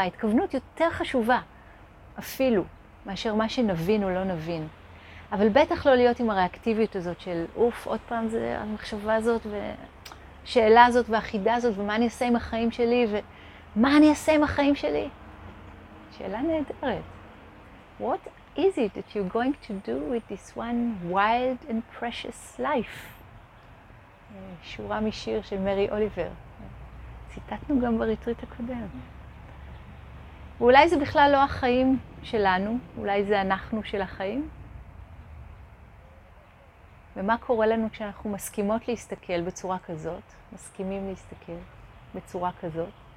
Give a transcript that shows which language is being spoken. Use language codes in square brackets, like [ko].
[he] ההתכוונות יותר חשובה אפילו מאשר מה שנבין או לא נבין. אבל בטח לא להיות עם הריאקטיביות הזאת של אוף, עוד פעם זה המחשבה הזאת ושאלה הזאת והחידה הזאת ומה אני אעשה עם החיים שלי ומה אני אעשה עם החיים שלי? שאלה נהדרת. [en] What is it that you're going to do with this one wild and precious life? [he] שורה משיר של מרי אוליבר. ציטטנו גם בריטריט הקודם. ואולי זה בכלל לא החיים שלנו, אולי זה אנחנו של החיים. ומה קורה לנו כשאנחנו מסכימות להסתכל בצורה כזאת, מסכימים להסתכל בצורה כזאת.